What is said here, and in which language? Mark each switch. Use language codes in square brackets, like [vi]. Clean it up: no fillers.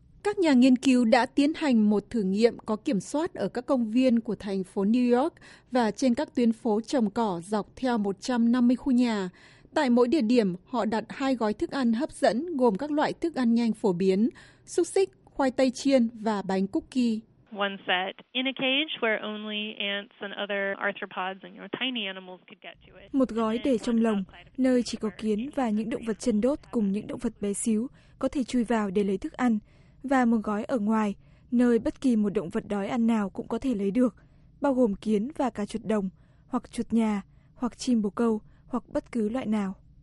[vi] Các nhà nghiên cứu đã tiến hành một thử nghiệm có kiểm soát ở các công viên của thành phố New York và trên các tuyến phố trồng cỏ dọc theo 150 khu nhà. Tại mỗi địa điểm, họ đặt hai gói thức ăn hấp dẫn gồm các loại thức ăn nhanh phổ biến, xúc xích, khoai tây chiên và bánh cookie. [en] One set in a cage where only ants and other arthropods and tiny animals could get to it. [vi] Một gói để trong lồng, nơi chỉ có kiến và những động vật chân đốt cùng những động vật bé xíu có thể chui vào để lấy thức ăn, và một gói ở ngoài, nơi bất kỳ một động vật đói ăn nào cũng có thể lấy được, bao gồm kiến và cả chuột đồng, hoặc chuột nhà, hoặc chim bồ câu, hoặc bất cứ loại nào.